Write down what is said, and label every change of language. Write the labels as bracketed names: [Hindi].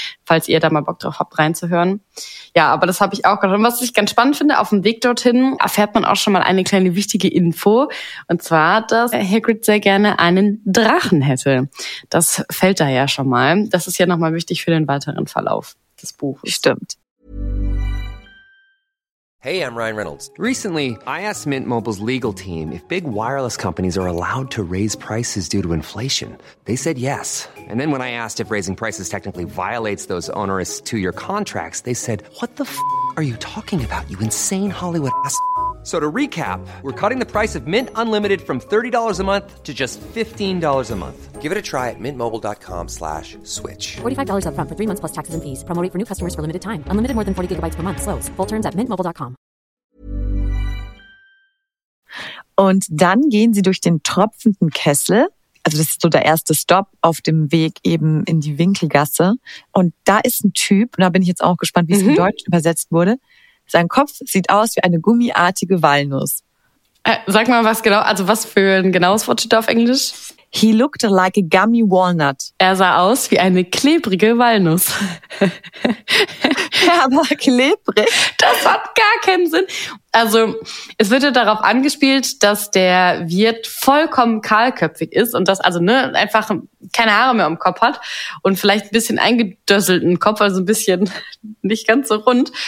[German] Falls ihr da mal Bock drauf habt, reinzuhören. Ja, aber das habe ich auch gerade. Und was ich ganz spannend finde, auf dem Weg dorthin erfährt man auch schon mal eine kleine wichtige Info. Und zwar, dass Hagrid sehr gerne einen Drachen hätte. Das fällt da ja schon mal. Das ist ja nochmal wichtig für den weiteren Verlauf des Buches. Stimmt. [English] Hey, I'm Ryan Reynolds. Recently, I asked Mint Mobile's legal team if big wireless companies are allowed to raise prices due to inflation. They said yes. And then when I asked if raising prices technically violates those onerous two-year contracts, they said, what the f*** are you talking about, you insane Hollywood ass f-. So to recap, we're cutting the price of Mint Unlimited from $30 a month to just $15 a month. Give it a try at mintmobile.com/switch. $45 up front for 3 months plus taxes and fees. Promo rate for new customers for limited time. Unlimited more than 40 gigabytes per month. Slows full terms at mintmobile.com. [German] Und dann gehen sie durch den tropfenden Kessel. Also das ist so der erste Stop auf dem Weg eben in die Winkelgasse. Und da ist ein Typ, und da bin ich jetzt auch gespannt, wie es in Deutsch übersetzt wurde. Sein Kopf sieht aus wie eine gummiartige Walnuss. Sag mal, was genau, also was für ein genaues Wort steht da auf Englisch? [English] He looked like a gummy walnut. [German] Er sah aus wie eine klebrige Walnuss. Er war klebrig. Das hat gar keinen Sinn. Also, es wird ja darauf angespielt, dass der Wirt vollkommen kahlköpfig ist und dass also einfach keine Haare mehr im Kopf hat und vielleicht ein bisschen eingedösselten Kopf, also ein bisschen nicht ganz so rund.